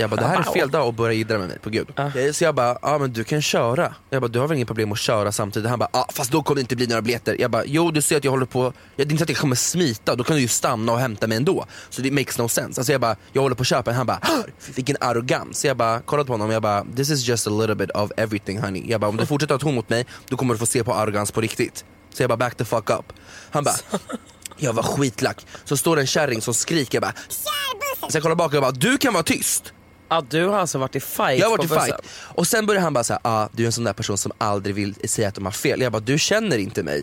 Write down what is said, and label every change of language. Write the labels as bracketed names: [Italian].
[Swedish] Jag bara, det här är fel dag att börja jiddra med mig, på gud. Så jag bara, ja men du kan köra. Jag bara, du har väl inget problem att köra samtidigt. Han bara, ja fast då kommer det inte bli några biljetter. Jag bara, jo du ser att jag håller på, det är inte så att jag kommer smita. Då kan du ju stanna och hämta mig ändå. Så det [English] makes no sense. [Swedish] Alltså jag bara, jag håller på att köpa. Han bara, vilken arrogans. Så jag bara, kollade på honom. Jag bara, [English] this is just a little bit of everything honey. [Swedish] Jag bara, om du fortsätter att ha ton mot mig, då kommer du få se på arrogans på riktigt. Så jag bara, [English] back the fuck up. [Swedish] Han bara, jag var skitlack. Så står en kärring som skriker bara, kärbussen. Sen kollar bak och jag bara, du kan vara tyst. Ja, du har alltså varit i fight. Jag har varit i fight. Och sen börjar han bara säga, ah, du är en sån där person som aldrig vill säga att de har fel. Jag bara, du känner inte mig.